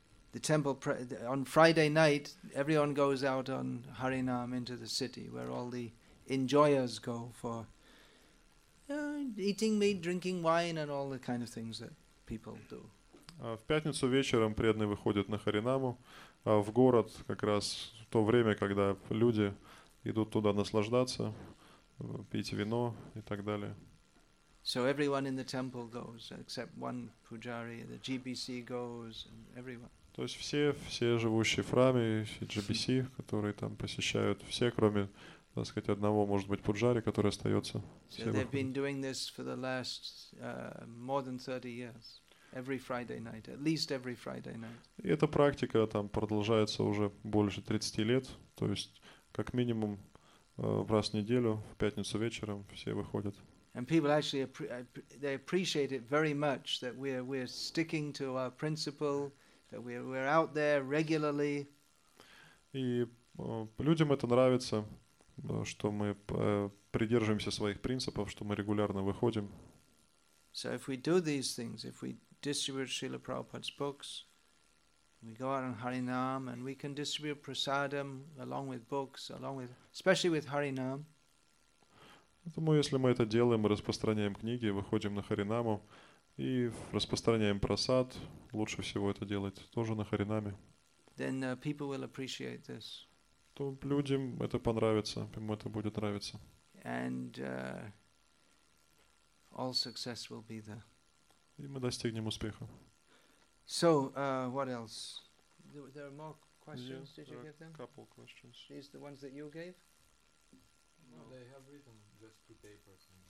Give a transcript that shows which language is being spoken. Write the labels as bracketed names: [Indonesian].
[English] The temple on Friday night, everyone goes out on Harinam into the city where all the enjoyers go for eating meat, drinking wine, and all the kind of things that people do. [Russian] В пятницу вечером преданные выходят на Харинаму, в город как раз в то время, когда люди идут туда наслаждаться, пить вино и так далее. [English] So everyone in the temple goes, except one pujari. The GBC goes, and everyone. [Russian] То есть все живущие в храме, все GBC, которые там посещают, все, кроме, так сказать, одного, может быть, пуджари, который остается. [English] So they've been doing this for the last more than 30 years. Every Friday night, at least every Friday night. [Russian] И эта практика там продолжается уже больше 30 лет. То есть как минимум раз в неделю, в пятницу вечером, все выходят. [English] And people actually they appreciate it very much that we're sticking to our principle. That we're out there regularly. [Russian] И людям это нравится, что мы придерживаемся своих принципов, что мы регулярно выходим. [English] So if we do these things, if we distribute Srila Prabhupada's books, we go out on Harinam, and we can distribute prasadam along with books, along with especially with Harinam. [Russian] Поэтому если мы это делаем, мы распространяем книги, выходим на Харинаму. И распространяем просад, лучше всего это делать тоже на Харинаме. [English] Then people will appreciate this. [Russian] То людям это понравится, им это будет нравиться. [English] And all success will be there. [Russian] И мы достигнем успеха. [English] So, what else? There are more questions, yeah, did you get them? Couple questions. These the ones that you gave? No, they have written just two papers.